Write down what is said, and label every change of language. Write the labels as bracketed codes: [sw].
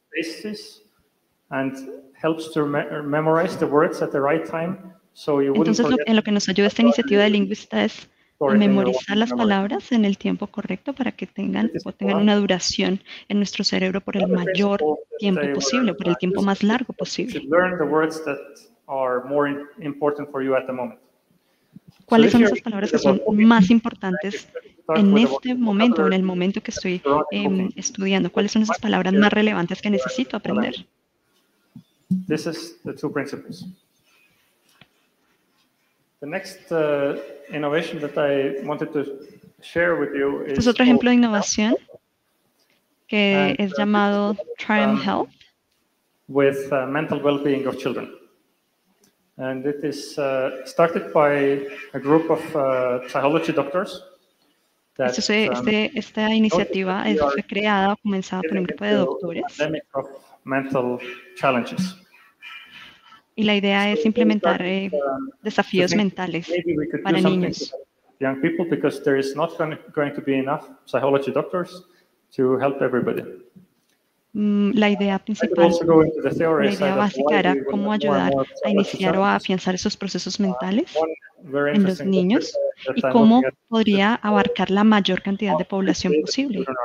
[en] Spaces and helps to memorize the words at the right time, so you wouldn't. [es] Entonces, en lo que nos ayuda esta iniciativa de lingüista es memorizar las palabras en el tiempo correcto para que tengan una duración en nuestro cerebro por el mayor tiempo posible, por el tiempo más largo posible. [en] To learn the words that are more important for you at the moment. [es] ¿Cuáles son esas palabras que son más importantes en este momento, en el momento que estoy estudiando? ¿Cuáles son esas palabras más relevantes que necesito aprender? [en] This is the two principles. The next innovation that I wanted to share with you is. [es] Este es otro ejemplo de innovación que es llamado Triumph Help. [en] With mental well-being of children. And it is started by a group of psychology doctors. [es] That, esta iniciativa es creada o comenzada por un grupo de doctores. [en] Pandemic of mental challenges. [es] Y la idea es implementar desafíos mentales para niños. [en] Young people, because there is not going to be enough psychology doctors to help everybody. [es] la idea principal, la idea básica era cómo ayudar a iniciar o a afianzar esos procesos mentales en los niños y cómo podría abarcar la mayor cantidad de población posible.